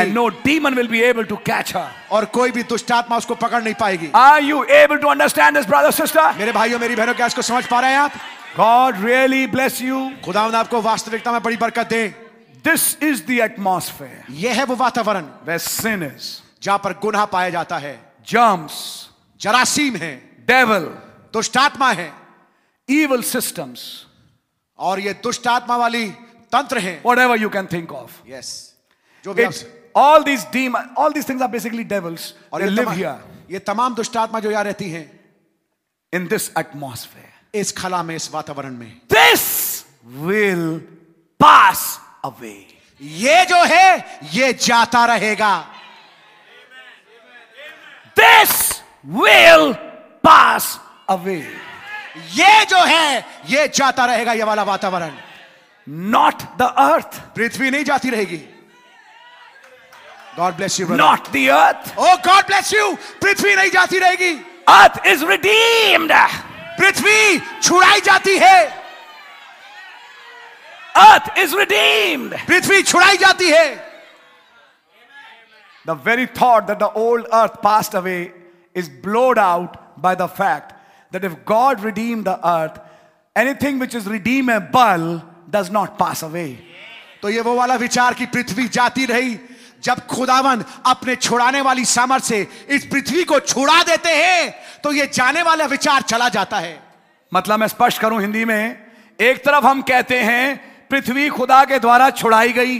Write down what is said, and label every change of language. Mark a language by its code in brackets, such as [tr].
[en] And no demon will be able to catch her. [hi] और कोई भी दुष्टात्मा उसको पकड़ नहीं पाएगी. [en] Are you able to understand this, brother, sister? [hi] मेरे भाइयों, मेरी बहनों, क्या इसको समझ पा रहे हैं आप? [en] God really bless you. [hi] खुदावंद आपको वास्तविकता में बड़ी बरकत दे. [en] This is the atmosphere. [hi] यह है वो वातावरण. [en] Where sin is. [hi] जहाँ पर गुनाह पाया जाता है. [en] Germs. [hi] जरासीम हैं. [en] Devil. [hi] दुष्टात्मा हैं. [en] Evil systems. [hi] और ये दुष्टात्मा वाली तंत्र हैं. [en] Whatever you can think of. Yes. [hi] जो भी [en] all these demons, all these things are basically devils. They live here. [hi] ये तमाम दुष्टात्मा जो यहाँ रहती हैं. [en] In this atmosphere. [hi] इस खला में, इस वातावरण में. [en] This will pass away. [hi] ये जो है ये जाता रहेगा. [en] This will pass away. [hi] ये जो है ये जाता रहेगा. ये वाला वातावरण. [en] Not the earth. [hi] पृथ्वी नहीं जाती रहेगी. [en] God bless you, brother. Not the earth. Oh, God bless you. [hi] पृथ्वी नहीं जाती रहेगी. [en] Earth is redeemed. [hi] पृथ्वी छुड़ाई जाती है. [en] Earth is redeemed. [hi] पृथ्वी छुड़ाई जाती है. [en] The very thought that the old earth passed away is blown out by the fact that if God redeemed the earth, anything which is redeemable does not pass away. [hi] तो ये वो वाला विचार कि पृथ्वी जाती रही, जब खुदावंद अपने छुड़ाने वाली सामर्थ्य से इस पृथ्वी को छुड़ा देते हैं तो ये जाने वाला विचार चला जाता है. मतलब मैं स्पष्ट करूं हिंदी में, एक तरफ हम कहते हैं पृथ्वी खुदा के द्वारा छुड़ाई गई.